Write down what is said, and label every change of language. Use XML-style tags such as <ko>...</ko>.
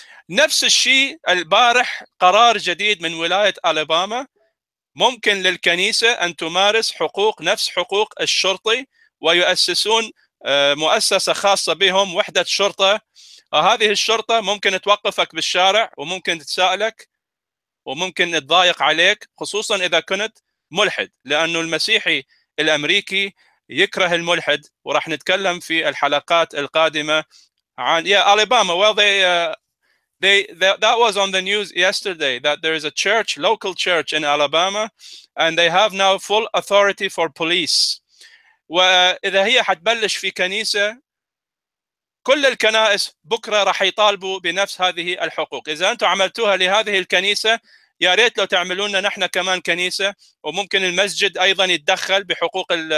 <ar>نفس الشيء البارح قرار جديد من ولاية ألاباما، ممكن للكنيسة أن تمارس حقوق نفس حقوق الشرطي، ويؤسسون مؤسسة خاصة بهم وحدة شرطة، وهذه الشرطة ممكن توقفك بالشارع وممكن تسألك وممكن تضايق عليك، خصوصا إذا كنت ملحد، لأنه المسيحي الأمريكي يكره الملحد، وراح نتكلم في الحلقات القادمة عن يا ألاباما.</ar> <en>Well, that was on the news yesterday that there is a church, local church in Alabama, and they have now full authority for police.</en> <ar>وإذا هي حتبلش في كنيسة، كل الكنائس بكرة راح يطالبوا بنفس هذه الحقوق. إذا أنتم عملتوها لهذه الكنيسة، يا ريت لو تعملونا نحن كمان كنيسة، وممكن المسجد أيضا يتدخل بحقوق</ar>